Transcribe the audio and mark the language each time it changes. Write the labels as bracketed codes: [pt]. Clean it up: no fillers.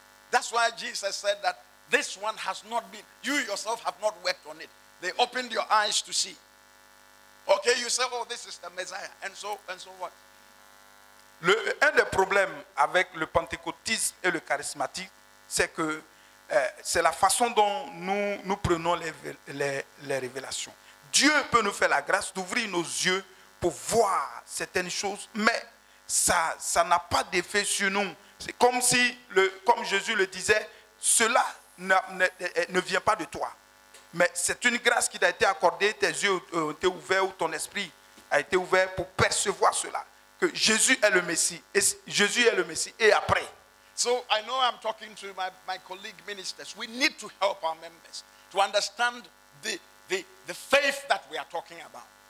[en] That's why Jesus said that this one has not been, you yourself have not worked on it. They opened your eyes to see. Okay, you say, oh, this is the Messiah. And so what? [fr] Un des problèmes avec le pentecôtisme et le charismatique, c'est que c'est la façon dont nous prenons les révélations. Dieu peut nous faire la grâce d'ouvrir nos yeux pour voir certaines choses, mais ça n'a pas d'effet sur nous. C'est comme si, comme Jésus le disait, cela ne vient pas de toi. Mais c'est une grâce qui t'a été accordée, tes yeux ont été ouverts ou ton esprit a été ouvert pour percevoir cela. Que Jésus est le Messie et après. [en] So I know I'm talking to my colleague ministers. We need to help our members to understand the faith that we are talking about.